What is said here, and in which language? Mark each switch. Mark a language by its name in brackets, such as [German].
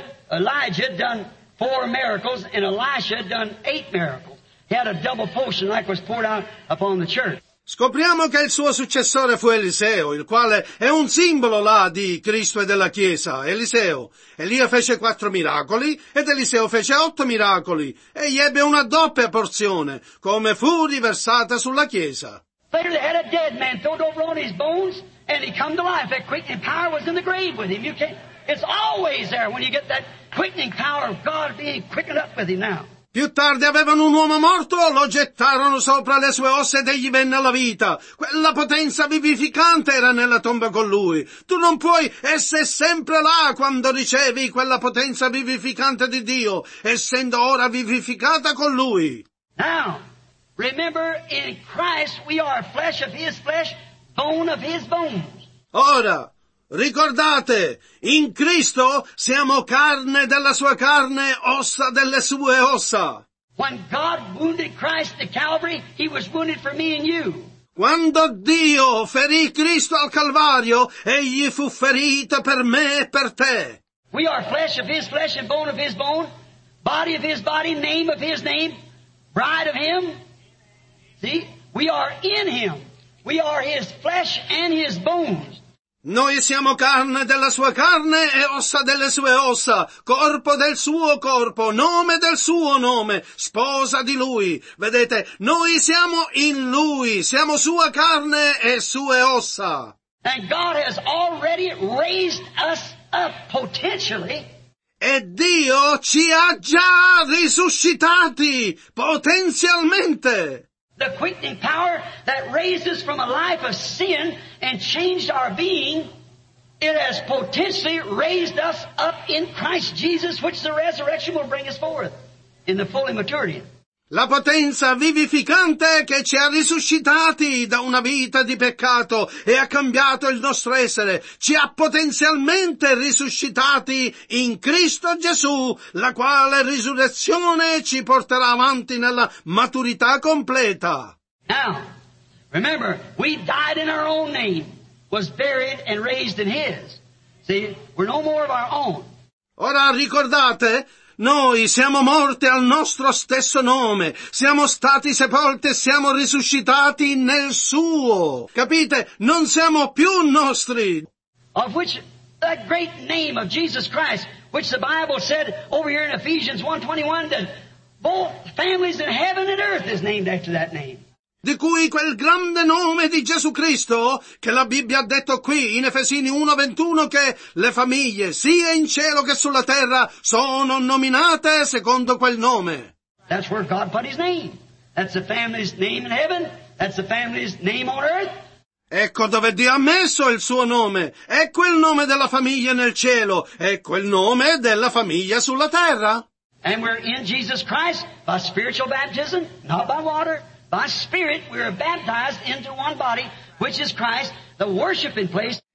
[English] Elijah done 4 miracles and Elisha done 8 miracles. He had a double portion like was poured out upon the church. [Italian] Scopriamo che il suo successore fu Eliseo, il quale è un simbolo là di Cristo e della Chiesa, Eliseo. Elia fece 4 miracoli ed Eliseo fece 8 miracoli e gli ebbe una doppia porzione, come fu riversata sulla Chiesa. [English] Literally had a dead man thrown over on his bones and he come to life. That quickening power was in the grave with him. You can't, it's always there when you get that quickening power of God being quickened up with you now. [Italian] Più tardi avevano un uomo morto, lo gettarono sopra le sue ossa ed egli venne alla vita. Quella potenza vivificante era nella tomba con lui. Tu non puoi essere sempre là quando ricevi quella potenza vivificante di Dio, essendo ora vivificata con lui. [English] Now, remember, in Christ we are flesh of his flesh, bone of his bones. [Italian] Ora, ricordate, in Cristo siamo carne della sua carne, ossa delle sue ossa. [English] When God wounded Christ at Calvary, he was wounded for me and you. [Italian] Quando Dio ferì Cristo al Calvario, egli fu ferito per me e per te. [English] We are flesh of his flesh and bone of his bone, body of his body, name of his name, bride of him. See, we are in him. We are his flesh and his bones. [Italian] Noi siamo carne della sua carne e ossa delle sue ossa, corpo del suo corpo, nome del suo nome, sposa di lui. Vedete, noi siamo in lui, siamo sua carne e sue ossa. [English] And God has already raised us up potentially. [Italian] E Dio ci ha già risuscitati potenzialmente. [English] The quickening power that raises from a life of sin and changed our being, it has potentially raised us up in Christ Jesus, which the resurrection will bring us forth in the full maturity. [Italian] La potenza vivificante che ci ha risuscitati da una vita di peccato e ha cambiato il nostro essere, ci ha potenzialmente risuscitati in Cristo Gesù, la quale risurrezione ci porterà avanti nella maturità completa. [English] Now, remember, we died in our own name, was buried and raised in His. See, we're no more of our own. [Italian] Ora ricordate, noi siamo morti al nostro stesso nome, siamo stati sepolti e siamo risuscitati nel Suo. Capite? Non siamo più nostri. [English] Of which that great name of Jesus Christ, which the Bible said over here in Ephesians 1:21, that both families in heaven and earth is named after that name. [Italian] Di cui quel grande nome di Gesù Cristo, che la Bibbia ha detto qui in Efesini 1:21, che le famiglie sia in cielo che sulla terra sono nominate secondo quel nome. [English] That's where God put his name. That's the family's name in heaven. That's the family's name on earth. [Italian] Ecco dove Dio ha messo il suo nome. Ecco il nome della famiglia nel cielo. Ecco il nome della famiglia sulla terra. [English] And we're in Jesus Christ by spiritual baptism, not by water. By spirit we are baptized into one body, which is Christ, the worshiping place.